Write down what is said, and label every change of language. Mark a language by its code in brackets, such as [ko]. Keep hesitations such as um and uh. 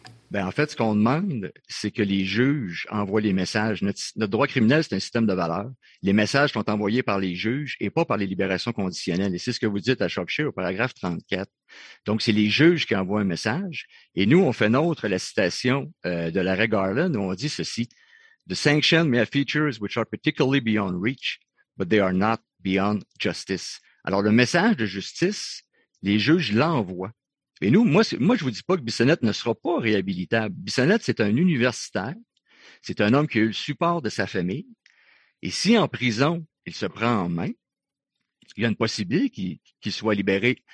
[fr] Bien, en fait, ce qu'on demande, c'est que les juges envoient les messages. Notre, notre droit criminel, c'est un système de valeurs. Les messages sont envoyés par les juges et pas par les libérations conditionnelles. Et c'est ce que vous dites à Shropshire au paragraphe 34. Donc, c'est les juges qui envoient un message. Et nous, on fait nôtre la citation euh, de l'arrêt Garland où on dit ceci. [en] The sanction may have features which are particularly beyond reach, but they are not beyond justice. [fr] Alors, le message de justice, les juges l'envoient. Et nous, moi, moi, je vous dis pas que Bissonnette ne sera pas réhabilitable. Bissonnette, c'est un universitaire. C'est un homme qui a eu le support de sa famille. Et si en prison, il se prend en main, il y a une possibilité qu'il, qu'il soit libéré.